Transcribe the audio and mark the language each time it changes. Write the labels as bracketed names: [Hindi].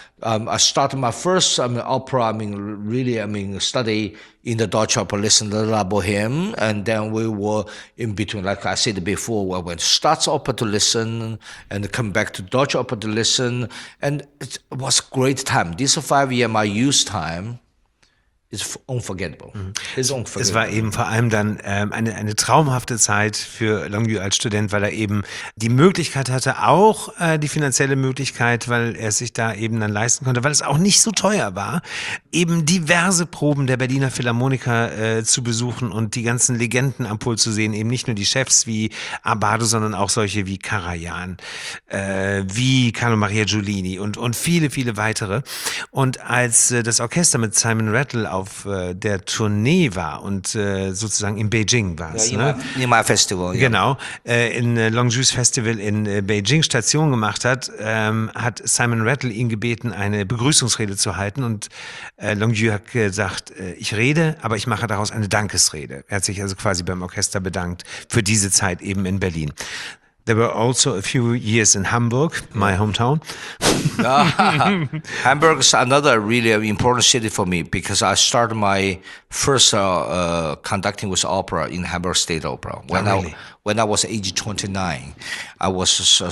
[English] I started my first opera. Study in the Deutsche Oper, listen to La Boheme, and then we were in between. Like I said before, we went to Staatsoper to listen, and come back to Deutsche Oper to listen, and it was a great time. This 5 years my youth time. Ist unvergettable. [German] Es war eben vor allem dann eine traumhafte Zeit für Longyu als Student, weil er eben die Möglichkeit hatte, auch die finanzielle Möglichkeit, weil er sich da eben dann leisten konnte, weil es auch nicht so teuer war, eben diverse Proben der Berliner Philharmoniker zu besuchen und die ganzen Legenden am Pult zu sehen, eben nicht nur die Chefs wie Abbado, sondern auch solche wie Karajan, wie Carlo Maria Giulini und viele, viele weitere. Und als das Orchester mit Simon Rattle auf der Tournee war und sozusagen in Beijing war es. Ja, Nimai Festival. Ja. Genau. In Longjus Festival in Beijing Station gemacht hat, hat Simon Rattle ihn gebeten, eine Begrüßungsrede zu halten, und Longyu hat gesagt, ich rede, aber ich mache daraus eine Dankesrede. Er hat sich also quasi beim Orchester bedankt für diese Zeit eben in Berlin. [English] There were also a few years in Hamburg, my hometown. Hamburg is another really important city for me because I started my first conducting with opera in Hamburg State Opera. When I was age 29, I was